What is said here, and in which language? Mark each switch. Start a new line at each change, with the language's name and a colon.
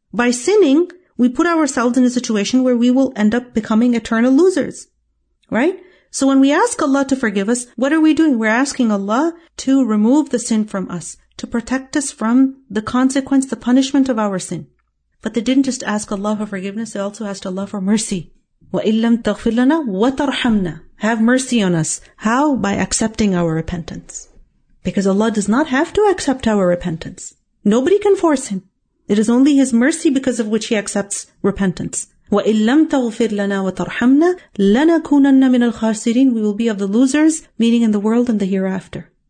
English: By sinning, we put ourselves in a situation where we will end up becoming eternal losers, right? So when we ask Allah to forgive us, what are we doing? We're asking Allah to remove the sin from us, to protect us from the consequence, the punishment of our sin. But they didn't just ask Allah for forgiveness, they also asked Allah for mercy.
Arabic: وَإِن لَمْ تَغْفِرْ لَنَا وَتَرْحَمْنَا,
English: have mercy on us. How? By accepting our repentance. Because Allah does not have to accept our repentance. Nobody can force him. It is only his mercy because of which he accepts repentance.
Arabic: وَإِن لَمْ تَغْفِرْ لَنَا وَتَرْحَمْنَا لَنَكُونَنَّ مِنَ الْخَاسِرِينَ,
English: we will be of the losers, meaning in the world and the hereafter.